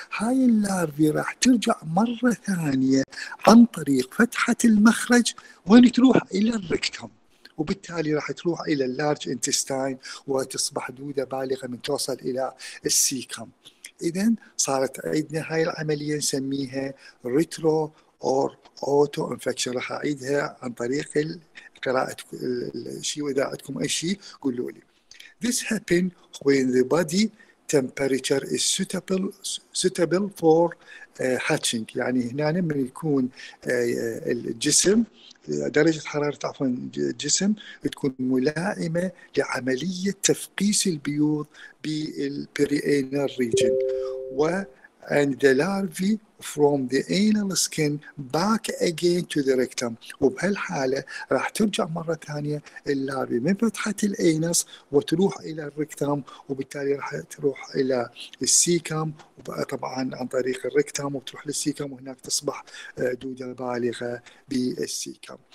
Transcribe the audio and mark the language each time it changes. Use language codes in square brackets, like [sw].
[ar] هاي اللارفي راح ترجع مرة ثانية عن طريق فتحة المخرج وين تروح؟ إلى الركتوم، وبالتالي راح تروح إلى اللارج انتستاين وتصبح دودة بالغة من توصل إلى السيكم. إذن صارت عندنا هاي العملية نسميها ريترو or auto infection. راح أعيدها عن طريق قراءة الشيء، وإذا عندكم أي شيء قولوا لي. [en] This happens when the body temperature is suitable for hatching. [ar] يعني هنا من يكون الجسم درجة حرارة الجسم تكون ملائمة لعملية تفقيس البيوض بالperianal region. [en] و and the larvae from the anal skin back again to the rectum. [ar] وبهالحالة راح ترجع مرة ثانية اللاربي من فتحة الانس وتروح إلى الركتم، وبالتالي راح تروح إلى السيكم، وطبعا عن طريق الركتم وتروح للسيكم، وهناك تصبح دودة بالغة بالسيكم.